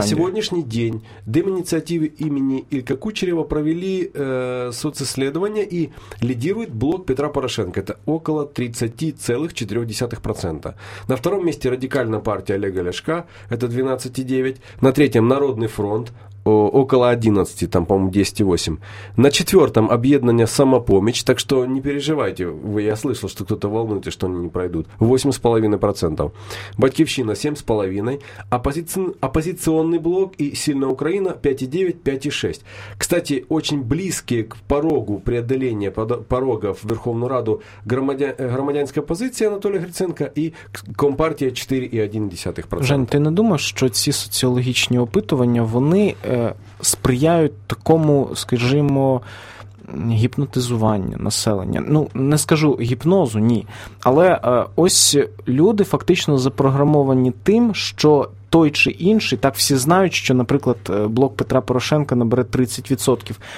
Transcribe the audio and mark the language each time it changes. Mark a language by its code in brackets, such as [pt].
[uk] На сьогоднішній день демініціативи імені Ілька Кучерєва провели соцісследування і лідирує блок Петра Порошенка. Це около 30,4%. На второму місці радикальна партія Олега Ляшка, це 12,9%. На третьому Народний фронт, [ru] около 11, там, по-моему, 10,8. На четвертом объединение «Самопомощь», так что не переживайте, я слышал, что кто-то волнуется, что они не пройдут. 8,5%. «Батьковщина» 7,5%. «Оппозиционный блок» и «Сильная Украина» 5,9-5,6. Кстати, очень близкие к порогу преодоления порога в Верховную Раду громадянская позиция Анатолия Гриценко и «Компартия» 4,1%. [uk] Жень, ти не думаєш, що ці соціологічні опитування, вони сприяють такому, скажімо, гіпнотизуванню населення? Ну, не скажу гіпнозу, ні. Але ось люди фактично запрограмовані тим, що той чи інший, так всі знають, що, наприклад, блок Петра Порошенка набере 30%.